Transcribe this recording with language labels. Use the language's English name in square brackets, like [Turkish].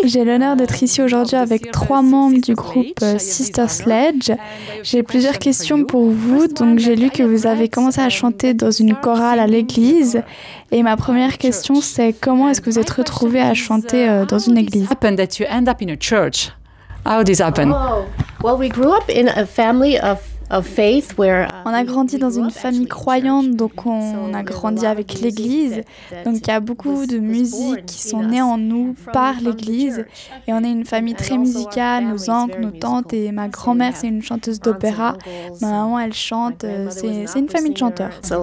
[French] J'ai l'honneur d'être ici aujourd'hui avec trois membres du groupe Sister Sledge. J'ai plusieurs questions pour vous. Donc, j'ai lu que vous avez commencé à chanter dans une chorale à l'église. Et ma première question, c'est comment est-ce que vous êtes retrouvé à chanter dans une église? [English] Happened that you end up in a church. How did this happen? Well, we grew up in a family of faith where, [French] on a grandi dans une famille croyante, donc on a grandi avec l'Église. Donc il y a beaucoup de musiques qui sont nées en nous par l'Église. Et on est une famille très musicale, nos oncles, nos tantes et ma grand-mère, c'est une chanteuse d'opéra. Ma maman, elle chante, c'est une famille de chanteurs.